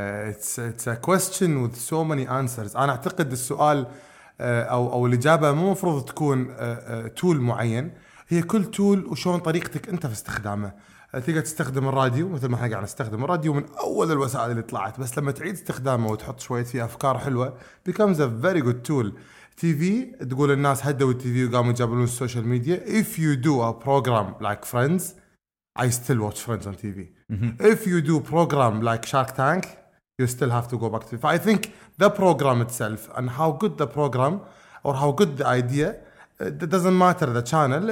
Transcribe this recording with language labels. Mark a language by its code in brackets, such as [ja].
[en] It's a question with so many answers. [ar] أنا أعتقد السؤال أو الإجابة مو مفروض تكون تول معين، هي كل تول وشون طريقتك أنت في استخدامه. تقدر تستخدم الراديو مثل ما احنا قاعد نستخدم الراديو من أول الوسائل اللي طلعت، بس لما تعيد استخدامه وتحط شوية فيه أفكار حلوة [en] becomes a very good tool. [ar] TV تقول الناس هدوا التيفي وقاموا يجابلون السوشيال ميديا. [en] If you do a program like Friends, I still watch Friends on TV. If you do program like Shark Tank, you still have to go back to it. I think the program itself and how good the program or how good the idea, it doesn't matter the channel.